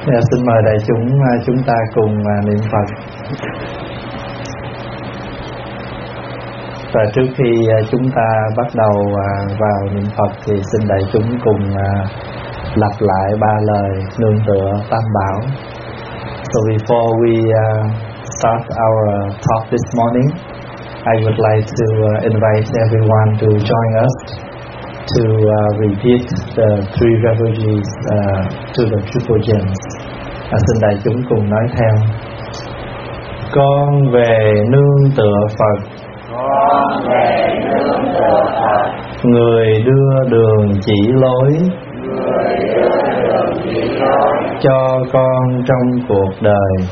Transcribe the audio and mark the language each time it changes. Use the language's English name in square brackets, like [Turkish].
[Vietnamese] Xin mời đại chúng chúng ta cùng niệm Phật. Và trước khi chúng ta bắt đầu vào niệm Phật thì xin đại chúng cùng lặp lại ba lời nương tựa Tam Bảo. [English] So before we start our talk this morning, I would like to invite everyone to join us to repeat the three refugees to the triple gems. [Vietnamese] Xin đại chúng cùng nói theo. Con về nương tựa Phật. Con về nương tựa Phật. Người đưa đường chỉ lối. Người đưa đường chỉ lối. Cho con trong cuộc đời.